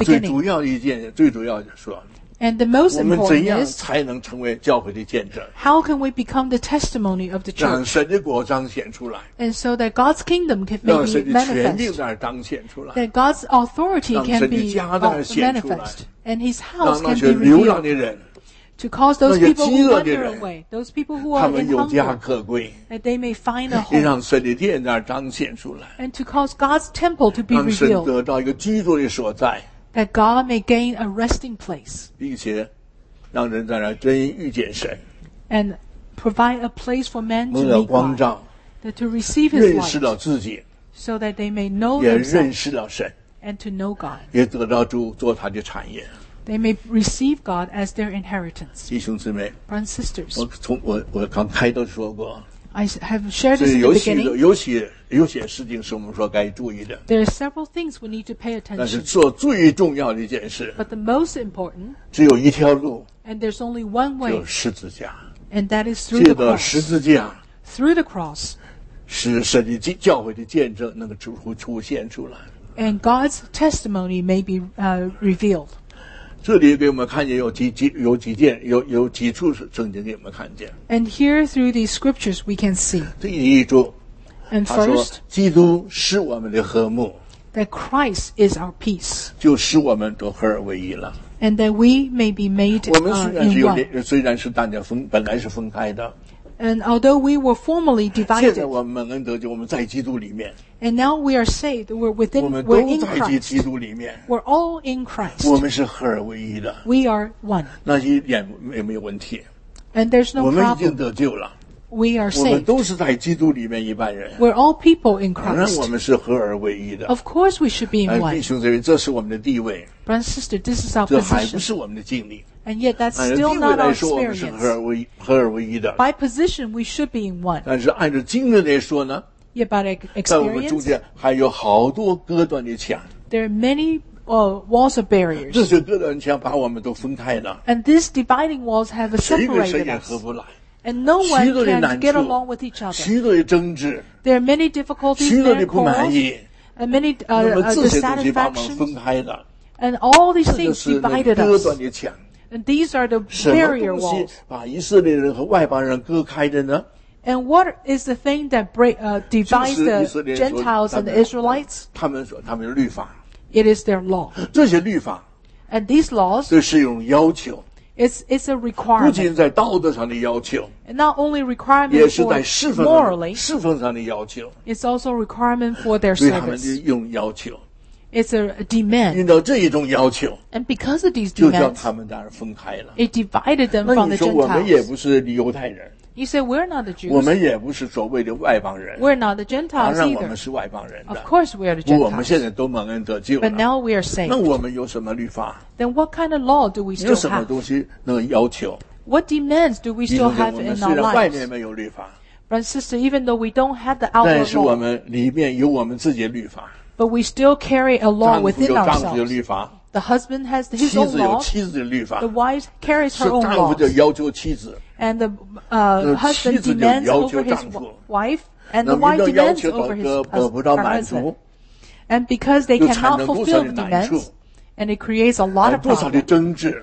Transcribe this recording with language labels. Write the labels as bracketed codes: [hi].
[zh] 我最主要一件，最主要的说。 [en] And the most important is, [zh] 我们怎样才能成为教会的见证？ [en] How can we become the testimony of the church? [zh] 让神的国彰显出来。 [en] And so that God's kingdom can be manifest. [zh] 让神的权柄在那彰显出来。 [en] That God's authority can be manifest. And His house can be revealed. [zh] 让那些流浪的人。 [en] To cause those people who wander away, those people who are in hunger, that they may find a home. [zh] 让神的殿在那彰显出来。 [en] And to cause God's temple to be revealed. [zh] 让神得到一个居住的所在。 [en] That God may gain a resting place. [zh] 并且让人在那真遇见神。 [en] And provide a place for men to meet God. That to receive His light. [zh] 认识到自己。 [en] So that they may know themselves. [zh] 也认识到神。 [en] And to know God. [zh] 也得到主做他的产业。 [en] They may receive God as their inheritance. [zh] 弟兄姊妹。 [en] Brothers and sisters. [zh] 我刚开头说过。 [en] I have shared this in the beginning. [zh] 有些事情是我们说该注意的。 [en] There are several things we need to pay attention. [zh] 但是做最重要的一件事。 [en] But the most important. [zh] 只有一条路。 [en] And there's only one way. [zh] 就是十字架。 [en] And that is through the cross. [zh] 借着十字架。 [en] Through the cross. [zh] 使神的教会的见证能够出现出来。 [en] And God's testimony may be revealed. [zh] 这里给我们看见有几处圣经给我们看见。 [en] And here through these scriptures we can see. [zh] 第一处。 [en] And first, [zh] 他说基督是我们的和睦 [en] that Christ is our peace, [zh] 就使我们都合而为一了 [en] and that we may be made in one. [zh] 我们虽然是大家本来是分开的 [en] and although we were formerly divided, [zh] 现在我们蒙恩得救我们在基督里面 [en] and now we are saved, we're within, we're in Christ. [zh] 我们都在基督里面 [en] we're all in Christ. [zh] 我们是合而为一的 [en] we are one. [zh] 那一点也没有问题 [en] and there's no problem. [zh] 我们已经得救了 [en] We are saved. [zh] 我们都是在基督里面一般人。 [en] We're all people in Christ. [zh] 当然我们是合而为一的。 [en] Of course we should be in one. [zh] 弟兄姊妹，这是我们的地位。 [en] Brother and sister, this is our position. [zh] 这还不是我们的经历。 [en] And yet that's still not our experience. [zh] 按照地位来说，我们是合而为一的。 [en] By position, we should be in one. [zh] 但是按照经历来说呢？ [en] Yet by experience. [zh] 在我们中间还有好多隔断的墙。 [en] There are many walls of barriers. [zh] 这些隔断墙把我们都分开了。 [en] And these dividing walls have separated us. [zh] 谁跟谁也合不来。 [en] And no one can get along with each other. [zh] 许多的争执 [en] There are many difficulties. [zh] 许多的不满意 [en] And many dissatisfaction. And all these things divided us. And these are the barrier walls. [zh] 什么东西把以色列人和外邦人隔开的呢 [en] And what is the thing that divides the Gentiles and the Israelites? [zh] 他们说他们的律法 [en] It is their law. [zh] 这些律法 [en] And these laws. [zh] 这是一种要求 [en] It's a requirement. [zh] 不仅在道德上的要求 [en] And not only requirement [zh] 也是在侍奉 [en] morally, [zh] 侍奉上的要求 [en] It's also a requirement for their service. [zh] 对他们的用要求 [en] It's a demand. [zh] 遇到这一种要求 [en] And because of these demands, [zh] 就叫他们当然分开了 [en] It divided them from the Gentiles. [zh] 那你说我们也不是犹太人 [en] You say we're not the Jews. [zh] 我们也不是所谓的外邦人 [en] We're not the Gentiles either. [zh] 当然我们是外邦人的 [en] Of course we are the Gentiles. [zh] 我们现在都蒙恩得救了 [en] But now we are saved. [zh] 那我们有什么律法 [en] Then what kind of law do we still have? [zh] 有什么东西能要求 [en] What demands do we still have in our lives? [zh] 我们虽然外面没有律法 [en] Brother and sister, even though we don't have the outward law, [zh] 但是我们里面有我们自己的律法 [en] But we still carry a law within ourselves. [zh] 丈夫有丈夫的律法 [en] The husband has his own law. [zh] 妻子有妻子的律法 [en] The wife carries her own law. [zh] 是丈夫就要求妻子 [en] And the husband demands over his wife. And the wife demands over his husband. And because they cannot fulfill the demands,And it creates a lot of problems.